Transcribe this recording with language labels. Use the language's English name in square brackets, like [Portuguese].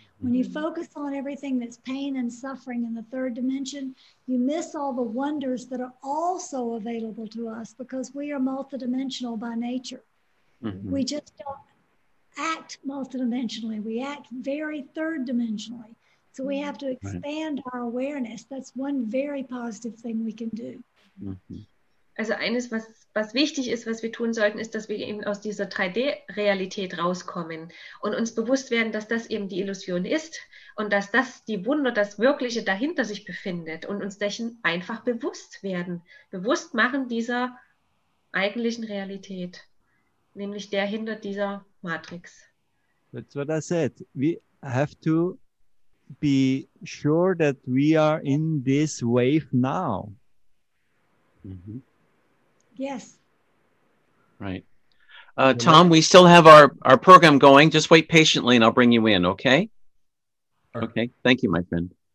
[English] When you focus on everything that's pain and suffering in the third dimension, you miss all the wonders that are also available to us, because we are multidimensional by nature. Mm-hmm. We just don't act multidimensionally. We act very third dimensionally. So we have to expand our awareness. That's one very positive thing we can do. [German] Also eines, was wichtig ist, was wir tun sollten, ist, dass wir eben aus dieser 3D-Realität rauskommen und uns bewusst werden, dass das eben die Illusion ist und dass das die Wunder, das Wirkliche dahinter sich befindet, und uns dessen einfach bewusst werden, bewusst machen dieser eigentlichen Realität. Nämlich der hinter dieser Matrix. [English] That's what I said. We have to be sure that we are in this wave now. Mm-hmm. Yes. Right. Tom, we still have our program going. Just wait patiently and I'll bring you in, okay? Sure. Okay. Thank you, my friend.